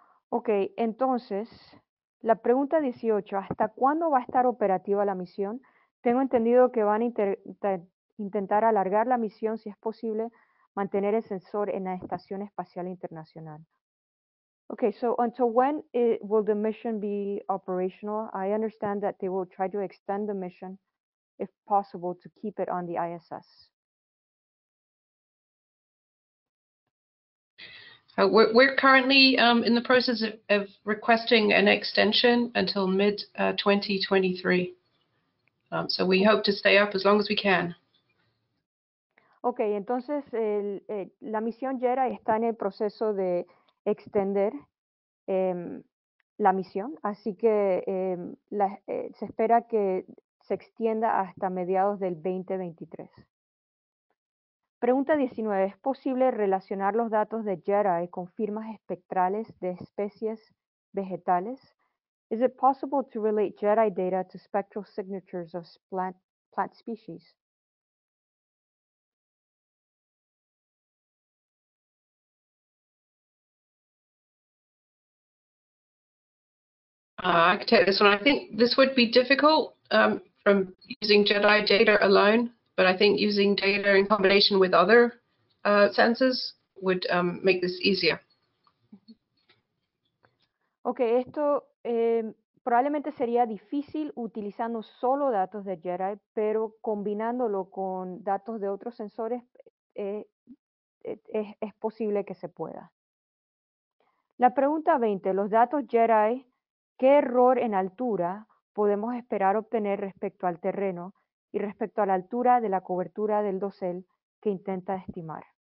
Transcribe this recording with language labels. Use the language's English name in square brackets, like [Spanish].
[Spanish] Okay, entonces, la pregunta 18, ¿hasta cuándo va a estar operativa la misión? Tengo entendido que van a intentar alargar la misión, si es posible, mantener el sensor en la Estación Espacial Internacional. [English] Okay, so until when will the mission be operational? I understand that they will try to extend the mission, if possible, to keep it on the ISS. We're currently in the process of requesting an extension until mid-2023. So we hope to stay up as long as we can. [Spanish] Okay, entonces la misión JEDI está en el proceso de extender la misión, así que se espera que se extienda hasta mediados del 2023. Pregunta 19. ¿Es posible relacionar los datos de JEDI con firmas espectrales de especies vegetales? [English] Is it possible to relate JEDI data to spectral signatures of plant species? I can take this one. I think this would be difficult from using JEDI data alone. But I think using data in combination with other sensors would make this easier. [Spanish] Okay, esto probablemente sería difícil utilizando solo datos de JEDI, pero combinándolo con datos de otros sensores es posible que se pueda. La pregunta 20, los datos JEDI, ¿qué error en altura podemos esperar obtener respecto al terreno y respecto a la altura de la cobertura del dosel que intenta estimar?